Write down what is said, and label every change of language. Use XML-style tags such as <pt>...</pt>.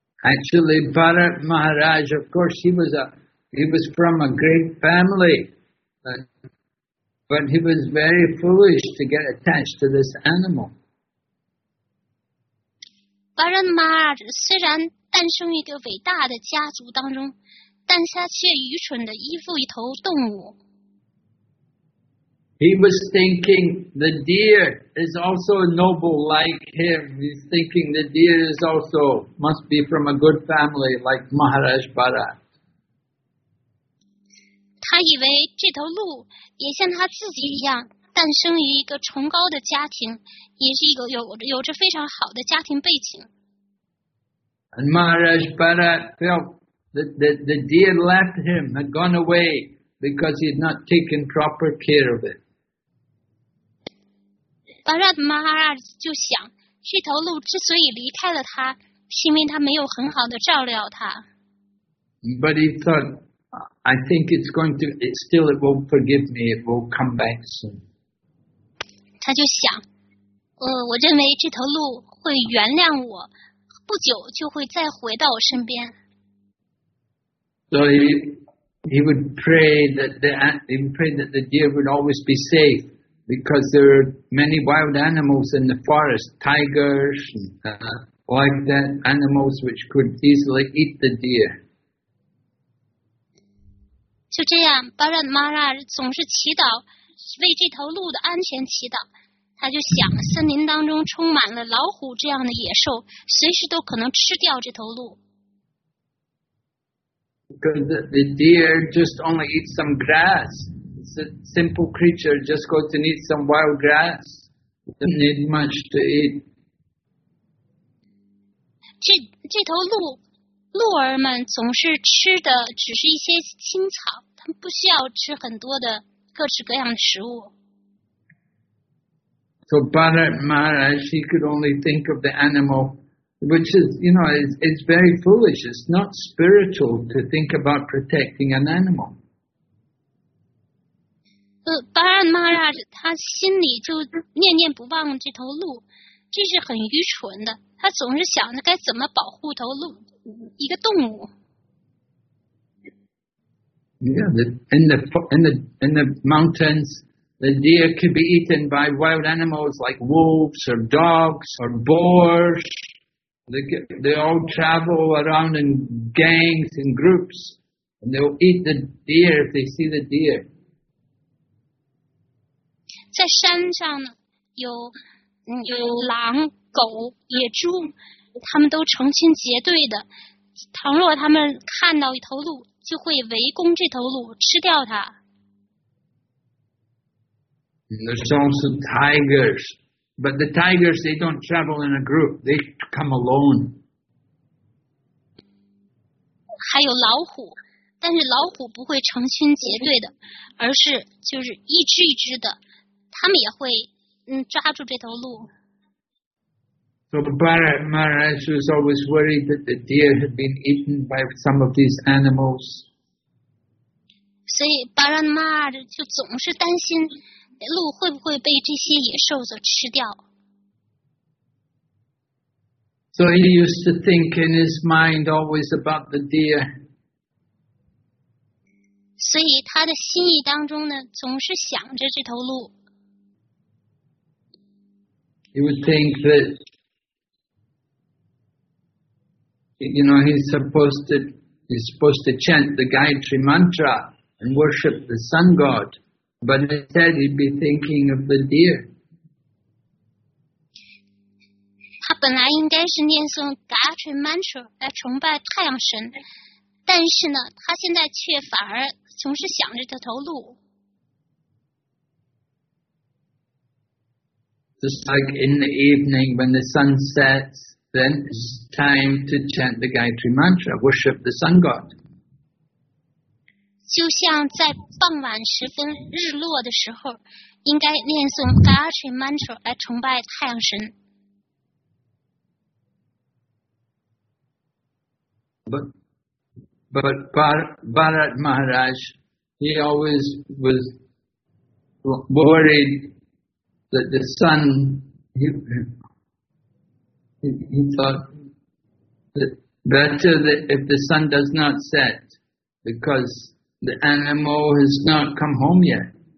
<en>Actually, Bharat Maharaj, of course, he was from a great family. But he was very foolish to get attached to this animal.</en> <zh>Bharat Maharaj 虽然诞生一个伟大的家族当中，但他却愚蠢地依附一头动物。</zh> <en>He was thinking the deer is also noble like him. He's thinking the deer is also must be from a good family like Maharaj Bharat.</en> <zh>他以为这头鹿也像他自己一样诞生于一个崇高的家庭，也是一个有着非常好的家庭背景。</zh> <en>And Maharaj Bharat felt that the deer left him, had gone away because he had not taken proper care of it.</en> <zh>Bharat Maharaj 就想，这头鹿之所以离开了他，是因为他没有很好的照料它。</zh> <en>But he thought. I think it's going to, it still it won't forgive me, it will come back soon.</en> <zh>他就想，我认为这头鹿会原谅我，不久就会再回到我身边。</zh> <en>So he would pray that the deer would always be safe, because there are many wild animals in the forest, tigers, like that, animals which could easily eat the deer.</en> <zh>就这样 Bharat Maharaj 总是祈祷为这头鹿的安全祈祷他就想森林当中充满了老虎这样的野兽随时都可能吃掉这头鹿</zh> <en>Because the deer just only eats some grass It's a simple creature just goes to eat some wild grass Doesn't need much to eat</en> <zh>这头鹿鹿儿们总是吃的只是一些青草，他们不需要吃很多的各式各样的食物。</zh> <en>So Bharat Maharaj, he could only think of the animal, which is, you know, it's very foolish. It's not spiritual to think about protecting an animal.</en> <zh>Bharat Maharaj, 他心里就念念不忘这头鹿，这是很愚蠢的。他总是想着该怎么保护头鹿。一个动物。</zh> <en>Yeah, in the mountains, the deer could be eaten by wild animals like wolves or dogs or boars. They all travel around in gangs and groups, and they'll eat the deer if they see the deer.</en> <zh>在山上呢，有狼、狗、野猪，他们都成群结队的。倘若他们看到一头鹿，就会围攻这头鹿，吃掉它。</zh> <en>There's also tigers, but the tigers they don't travel in a group; they come alone.</en> <zh>还有老虎，但是老虎不会成群结队的，而是就是一只一只的，他们也会抓住这头鹿。</zh> <en>So Bharat Maharaj was always worried that the deer had been eaten by some of these animals.</en> <zh>So Bharat Maharaj 就总是担心鹿会不会被这些野兽所吃掉。</zh> <en>So he used to think in his mind always about the deer.</en> <zh>所以他的心意当中呢，总是想着这头鹿。</zh> <en>He would think that. You know, he's supposed to chant the Gayatri Mantra and worship the sun god, but instead he'd be thinking of the deer.</en> <zh>他本来应该是念诵 Gayatri Mantra 来崇拜太阳神，但是呢，他现在却反而总是想着这头鹿。</zh> <en>Just like in the evening when the sun sets. Then it's time to chant the Gayatri Mantra, worship the sun god.</en> <zh>就像在傍晚时分日落的时候，应该念诵 Gayatri Mantra 来崇拜太阳神。</zh> <en>But Bharat Maharaj, he always was worried that the sun, he thought that better that if the sun does not set, because the animal has not come home yet.</en>